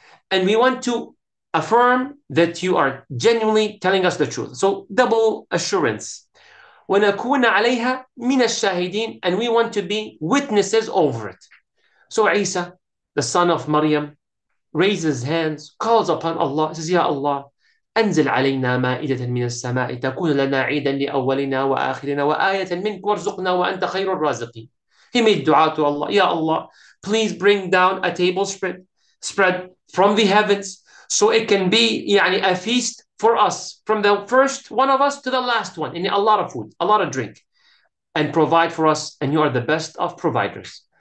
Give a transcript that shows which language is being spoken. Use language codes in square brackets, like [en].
[en] And we want to affirm that you are genuinely telling us the truth. So double assurance. [ar] وَنَكُونَ عَلَيْهَا مِنَ الشَّاهِدِينَ [en] And we want to be witnesses over it. So Isa, the son of Maryam, raises his hands, calls upon Allah, says, Ya Allah, [ar] أنزل علينا مائدة من السماء تكون لنا عيدا لأولنا وآخرنا وآية منك وارزقنا وأنت خير الرازقين. [en] He made dua to Allah. Ya Allah, please bring down a table spread from the heavens so it can be يعني a feast for us from the first one of us to the last one. And a lot of food, a lot of drink. And provide for us and you are the best of providers.